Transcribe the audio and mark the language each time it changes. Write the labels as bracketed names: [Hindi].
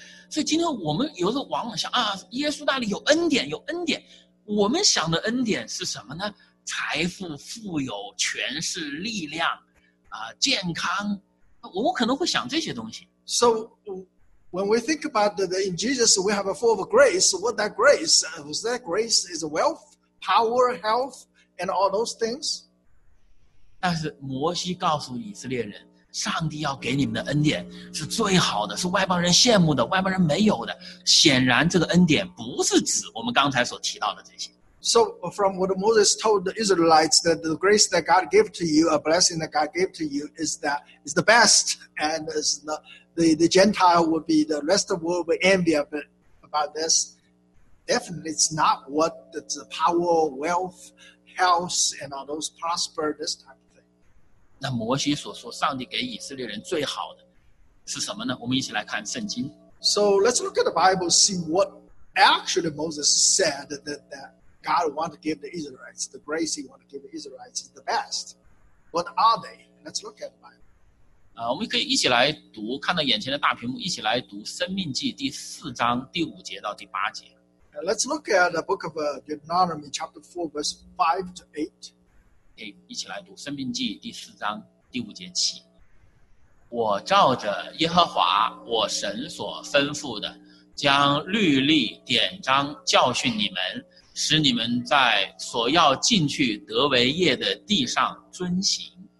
[Chinese] 所以今天我们有时候往往想啊，耶稣那里有恩典，有恩典。我们想的恩典是什么呢？财富、富有、权势、力量，健康。我们可能会想这些东西。 [English] So, when we think about that in Jesus, we have a full of grace. What that grace? Was that grace is wealth, power, health, and all those things? [Chinese] 但是摩西告诉以色列人，上帝要给你们的恩典是最好的，是外邦人羡慕的，外邦人没有的。显然，这个恩典不是指我们刚才所提到的这些。 [English] So from what Moses told the Israelites, that the grace that God gave to you, a blessing that God gave to you, is the best, and is the Gentile would be, the rest of the world would envy about this. Definitely, it's not what the power, wealth, health, and all those prosper, this type of thing. [Chinese] 那摩西所说上帝给以色列人最好的是什么呢？我们一起来看圣经。 [English] So let's look at the Bible, see what actually Moses said that God wants to give the Israelites, the grace he wants to give the Israelites is the best. What are they? Let's look at the Bible. [Chinese] 我们可以一起来读，看到眼前的大屏幕，一起来读《生命记》第四章第五节到第八节。 [English] Let's look at the book of Deuteronomy, chapter 4, verse 5 to 8. [Chinese] 一起来读《生命记》第四章第五节起。我照着耶和华我神所吩咐的，将律例典章教训你们，使你们在所要进去得为业的地上遵行。